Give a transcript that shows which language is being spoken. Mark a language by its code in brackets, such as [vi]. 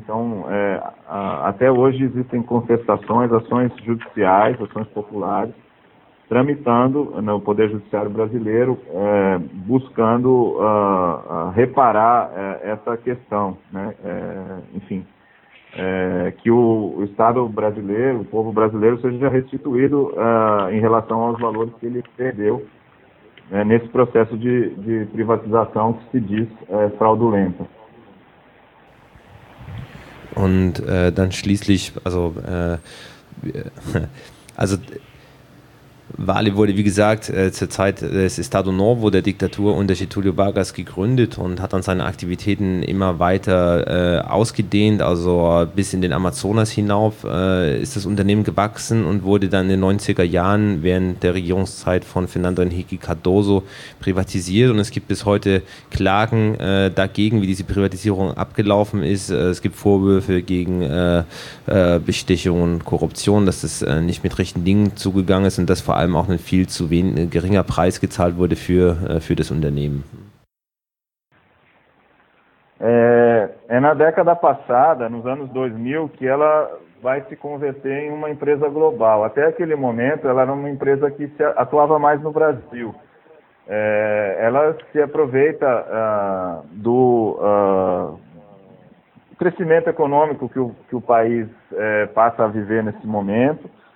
[pt] Então, até hoje existem contestações, ações judiciais, ações populares, tramitando no Poder Judiciário brasileiro, buscando reparar essa questão, né? Enfim, que o Estado brasileiro, o povo brasileiro, seja restituído em relação aos valores que ele perdeu nesse processo de privatização que se diz fraudulenta. [de] Und dann schließlich, also Vale wurde, wie gesagt, zur Zeit des Estado Novo, der Diktatur unter Getúlio Vargas, gegründet und hat dann seine Aktivitäten immer weiter ausgedehnt, also bis in den Amazonas hinauf ist das Unternehmen gewachsen und wurde dann in den 90er Jahren während der Regierungszeit von Fernando Henrique Cardoso privatisiert. Und es gibt bis heute Klagen dagegen, wie diese Privatisierung abgelaufen ist. Es gibt Vorwürfe gegen Bestechung und Korruption, dass das nicht mit rechten Dingen zugegangen ist und das vor allem auch ein viel zu geringer Preis gezahlt wurde für das Unternehmen. [pt] É na década passada, nos anos 2000, que ela vai se converter em uma empresa global. Até aquele momento, ela era uma empresa que se atuava mais no Brasil. Ela se aproveita do crescimento econômico que o país passa a viver nesse momento.